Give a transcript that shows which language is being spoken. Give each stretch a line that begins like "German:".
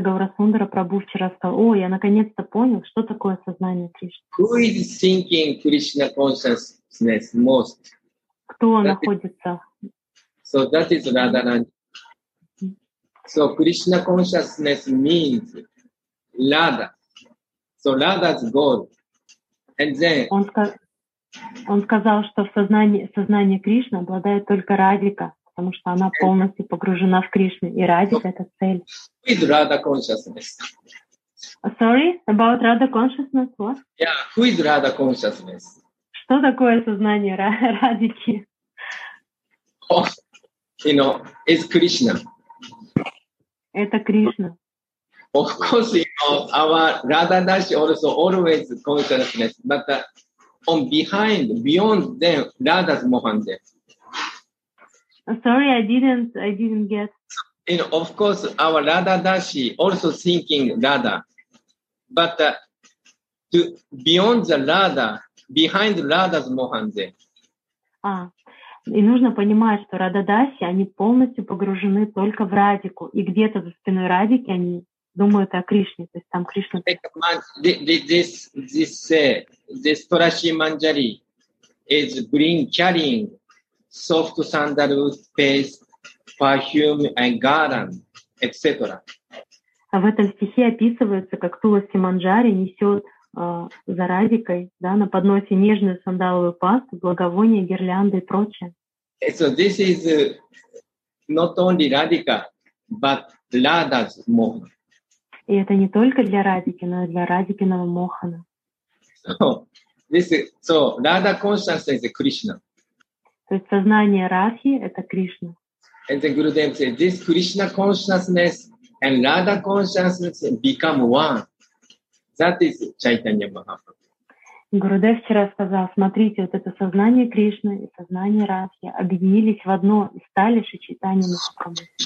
Russian: Гаурасундара Прабху вчера сказал: «О, я наконец-то понял, что такое сознание Кришны».
English: Who is thinking Krishna consciousness most?
Russian: Кто находится?
English: So that is Radharani. So Krishna consciousness means Radha. So Radha is God. And then
Russian: он сказал, что в сознании Кришны обладает только Радика, потому что она полностью погружена в Кришну, и Радика — это цель.
English: Who is Radha consciousness? Sorry, about Radha consciousness, what? Yeah, who is Radha consciousness?
Russian: Что такое сознание Радики?
English: You know, it's Krishna.
Russian: Это Кришна.
English: Of course, you know, our Radha Dashi also always consciousness, but on behind, beyond them, Radha's Mohan there. Sorry, I didn't get. You know, of course, our Radha Dashi also thinking Radha, but to beyond the Radha, behind Radha's Mohan there.
Russian: И нужно понимать, что Рададаси, они полностью погружены только в Радику. И где-то за спиной Радики они думают о Кришне. То есть там Кришна...
English: This Torashi Manjari is bring carrying soft sandalwood paste, perfume and garland, etc.
Russian: А в этом стихе описывается, как Туласи Манджари несет за Радикой, да, на подносе нежную сандаловую пасту, благовоние, гирлянды и прочее.
English: So this is not only Radhika, but Radha's Mohan.
Russian: И это не только для Радики, но и для Радикиного Мохана.
English: So Radha consciousness is Krishna.
Russian: То есть сознание Радхи — это Кришна.
English: And the Gurudev says, this Krishna consciousness and Radha consciousness become one. That is Chaitanya Mahaprabhu.
Russian: Гурудев вчера сказал, смотрите, вот это сознание Кришны и сознание Радхи объединились в одно и стали Шри Чайтанья Махапрабху.